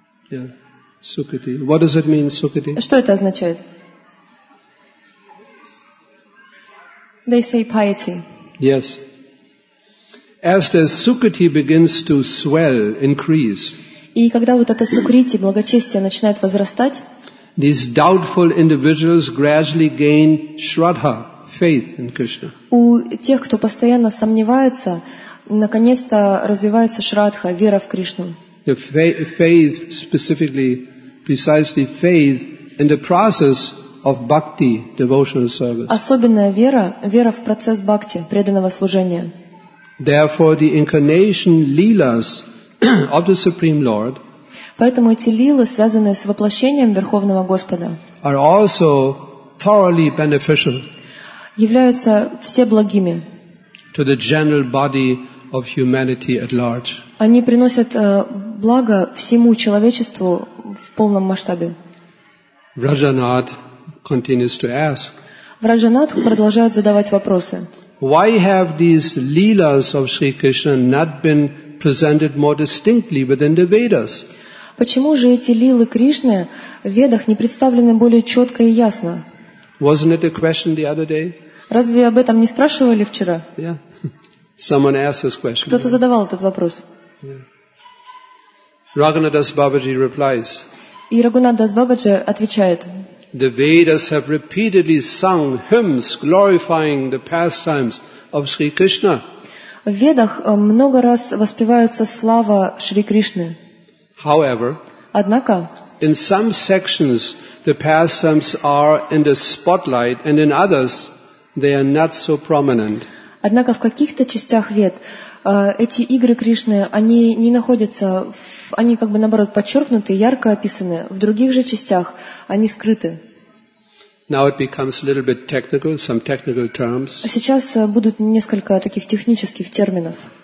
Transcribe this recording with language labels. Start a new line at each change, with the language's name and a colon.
English: Yeah, sukriti. What does it mean, sukriti?
Russian: Что это означает?
English: They say piety. Yes. As the sukriti begins to swell, increase.
Russian: И когда вот это сукрити, благочестие начинает возрастать.
English: These doubtful individuals gradually gain shraddha, faith in Krishna.
Russian: У тех, кто постоянно сомневается, наконец-то развивается шраддха, вера в Кришну.
English: The faith, specifically, precisely faith in the process of bhakti, devotional service.
Russian: Особенная вера, вера в процесс бхакти, преданного служения.
English: Therefore, the incarnation lilas of the Supreme Lord.
Russian: Поэтому эти лилы, связанные с воплощением Верховного Господа,
English: are also thoroughly beneficial.
Russian: Являются все благими.
English: To the general body of humanity at large.
Russian: Они приносят благо всему человечеству в полном масштабе.
English: Rajanath continues to ask.
Russian: Rajanath продолжает задавать вопросы.
English: Why have these leelas of Sri Krishna not been presented more distinctly within the Vedas?
Russian: Почему же эти лилы Кришны в Ведах не представлены более четко и ясно?
English: Wasn't it a question the other day?
Russian: Разве об этом не спрашивали вчера?
English: Yeah. Someone asked this question.
Russian: Кто-то задавал этот вопрос.
English: Yeah. Raghunath Das Babaji replies.
Russian: И Raghunath Das Babaji отвечает.
English: The Vedas have repeatedly sung hymns glorifying the pastimes of Sri Krishna.
Russian: В Ведах много раз воспевается слава Шри Кришны.
English: However,
Russian: однако, in some sections the pastimes are in the spotlight, and in others they are not so prominent. Однако в каких-то частях Вед эти игры Кришны, они не находятся, они как бы наоборот подчеркнуты, ярко описаны. В других же частях они скрыты.
English: Now it becomes a little bit technical, some technical terms.
Russian: Сейчас будут несколько таких технических терминов.